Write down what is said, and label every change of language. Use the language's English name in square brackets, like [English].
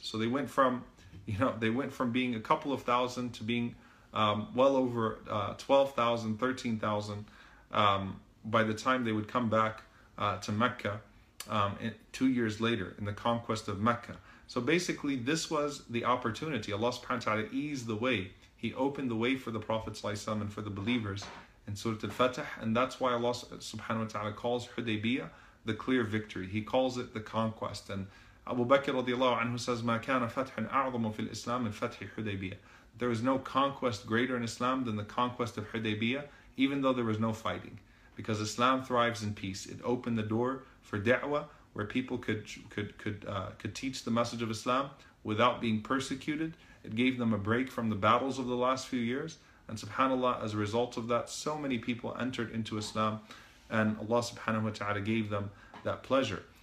[English] So they went from, you know, they went from being a couple of thousand to being well over 12,000, 13,000 by the time they would come back to Mecca 2 years later in the conquest of Mecca. So basically, this was the opportunity. Allah subhanahu wa ta'ala eased the way. He opened the way for the Prophet ﷺ and for the believers in Surah Al-Fatih. And that's why Allah subhanahu wa ta'ala calls Hudaybiyah the clear victory. He calls it the conquest. And Abu Bakr radiallahu anhu says, [Arabic] مَا كَانَ فَتْحٌ أَعْظَمُ فِي الْإِسْلَامِ مِنْ فَتْحِ حُدَيْبِيَةِ. [English] There was no conquest greater in Islam than the conquest of Hudaybiyah, even though there was no fighting. Because Islam thrives in peace. It opened the door for da'wah, where people could teach the message of Islam without being persecuted. It gave them a break from the battles of the last few years. And subhanAllah, as a result of that, so many people entered into Islam, and Allah subhanahu wa ta'ala gave them that pleasure.